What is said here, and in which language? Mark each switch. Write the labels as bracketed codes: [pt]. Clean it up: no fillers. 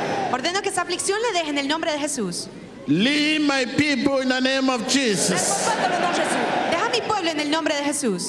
[es] Ordeno que esa aflicción le deje en el nombre de Jesús. [en] Leave my people in the name of Jesus. [es] Deja mi pueblo en el nombre de Jesús.